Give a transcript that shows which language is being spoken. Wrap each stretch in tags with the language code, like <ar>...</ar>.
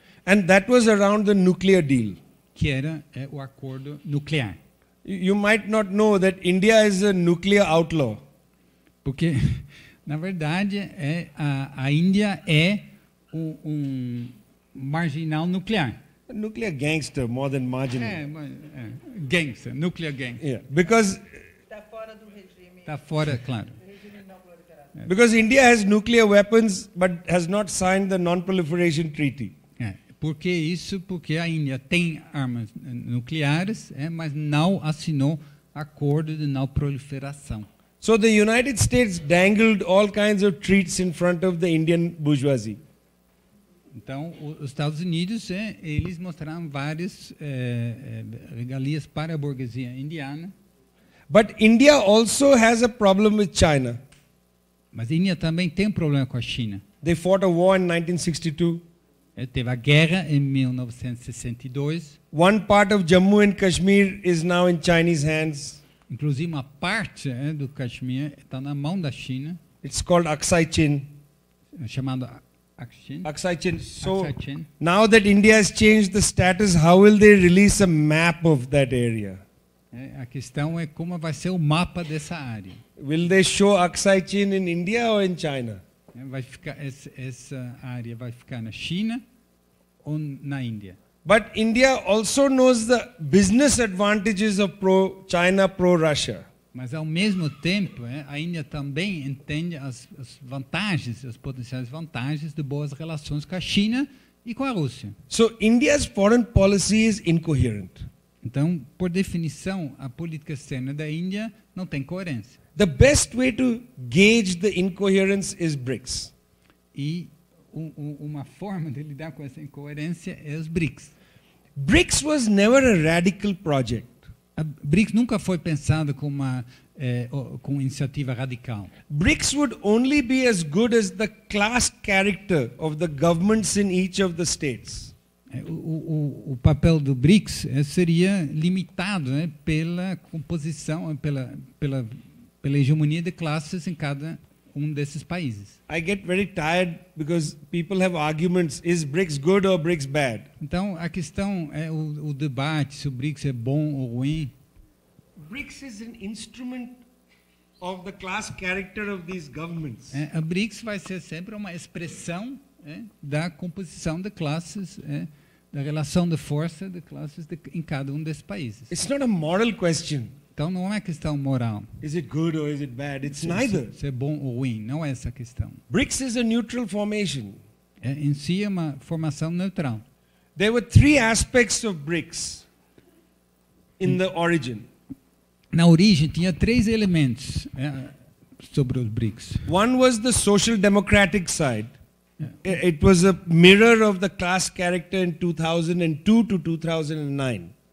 <en>And that was around the nuclear deal.</en> <pt>Que era o acordo nuclear.</pt> <en>You might not know that India is a nuclear outlaw.</en> <pt>Porque, na verdade, a Índia é um marginal nuclear.</pt> <en>A nuclear gangster, more than marginal. Gangster, nuclear gangster. Yeah, because</en> <pt>está fora do regime. Está fora, claro.</pt> <en>Because India has nuclear weapons, but has not signed the non-proliferation treaty.</en> <pt>Por que isso? Porque a Índia tem armas nucleares, mas não assinou acordo de não proliferação.</pt> <en>So the United States dangled all kinds of treats in front of the Indian bourgeoisie.</en> <pt>Então, os Estados Unidos, eles mostraram várias regalias para a burguesia indiana.</pt> <en>But India also has a problem with China.</en> <pt>Mas a Índia também tem problema com a China.</pt> <en>They fought a war in 1962.</en> <pt>Teve a guerra em 1962.</pt> <en>One part of Jammu and Kashmir is now in Chinese hands.</en> <pt>Inclusive uma parte do Kashmir está na mão da China.</pt> <en>It's called Aksai Chin.</en> <pt>Chamado Aksai Chin.</pt> <en>Aksai Chin. So Aksai Chin. Now that India has changed the status, how will they release a map of that area?</en> <pt>A questão é como vai ser o mapa dessa área.</pt> <en>Will they show Aksai Chin in India or in China?</en> <pt>Vai ficar essa área vai ficar na China ou na Índia?</pt> <en>But India also knows the business advantages of pro-China, pro-Russia.</en> <pt>Mas ao mesmo tempo, a Índia também entende as vantagens, as potenciais vantagens de boas relações com a China e com a Rússia.</pt> <en>So India's foreign policy is incoherent.</en> <pt>Então, por definição, a política externa da Índia não tem coerência.</pt> <en>The best way to gauge the incoherence is BRICS.</en> <pt>E uma forma de lidar com essa incoerência é os BRICS.</pt> <en>BRICS was never a radical project.</en> <pt>A BRICS nunca foi pensada como com iniciativa radical.</pt> <en>BRICS would only be as good as the class character of the governments in each of the states.</en> <pt>o papel do BRICS seria limitado, né, pela composição, pela hegemonia de classes em cada um desses países.</pt> <en>I get very tired because people have arguments, is BRICS good or BRICS bad?</en> <pt>Então, a questão é o debate se o BRICS é bom ou ruim.</pt> <en>BRICS is an instrument of the class character of these governments.</en> <pt>A BRICS vai ser sempre uma expressão, da composição de classes, da relação de força de classes em cada um desses países.</pt> <en>It's not a moral question.</en> <pt>Então não é questão moral.</pt> <en>Is it good or is it bad? It's neither.</en> <pt>Se é bom ou ruim, não é essa a questão.</pt> <en>BRICS is a neutral formation.</en> <pt>Em si é uma formação neutral.</pt> <en>There were three aspects of BRICS in the origin.</en> <pt>Na origem tinha três elementos, sobre os BRICS.</pt> <en>One was the social democratic side. It was a mirror of the class character in 2002 to 2009.</en>